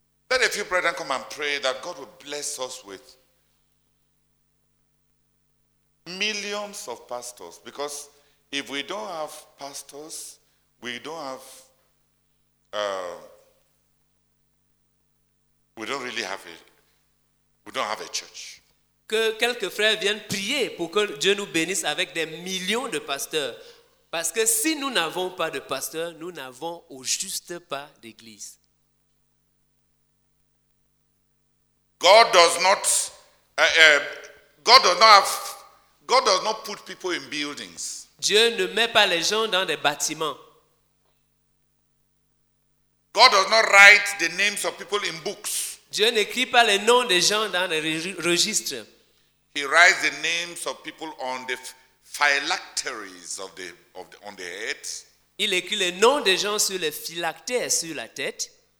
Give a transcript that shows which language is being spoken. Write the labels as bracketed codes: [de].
[en] Let a few brethren come and pray that God will bless us with millions of pastors, because if we don't have pastors, we don't have a church. [fr] Que quelques frères viennent prier pour que Dieu nous bénisse avec des millions de pasteurs, parce que si nous n'avons pas de pasteurs, nous n'avons au juste pas d'église. [en] God does not put people in buildings. [fr] Dieu ne met pas les gens dans des bâtiments. [en] God does not write the names of people in books. [fr] Dieu n'écrit pas les noms des gens dans les registres. [en] He writes the names of people on the phylacteries on the head. [fr] Il écrit les noms des gens sur les phylactères, sur la tête.